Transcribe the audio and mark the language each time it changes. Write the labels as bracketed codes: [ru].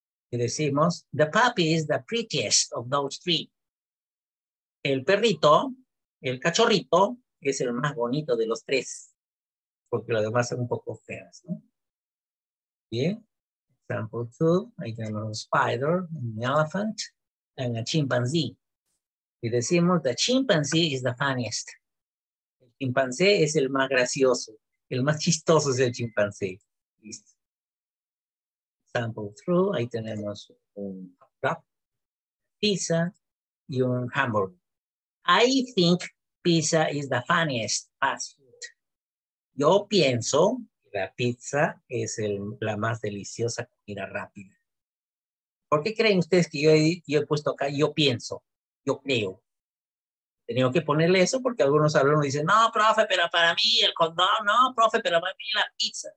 [es] Y decimos, [en] the puppy is the prettiest of those three. [es] El perrito, el cachorrito, es el más bonito de los tres. Porque los demás son un poco feas, ¿no? Bien. Example 2, ahí tenemos un spider, un elephant, and a chimpanzee. Y decimos, [en] the chimpanzee is the funniest. [es] El chimpancé es el más gracioso. El más chistoso es el chimpancé. Listo. Example 3, ahí tenemos un pizza y un hamburger. [en] I think pizza is the funniest fast food. [es] Yo pienso... La pizza es la más deliciosa comida rápida. ¿Por qué creen ustedes que yo he puesto acá? Yo pienso, yo creo. Tenía que ponerle eso porque algunos alumnos dicen, no, profe, pero para mí el condón, no, profe, pero para mí la pizza.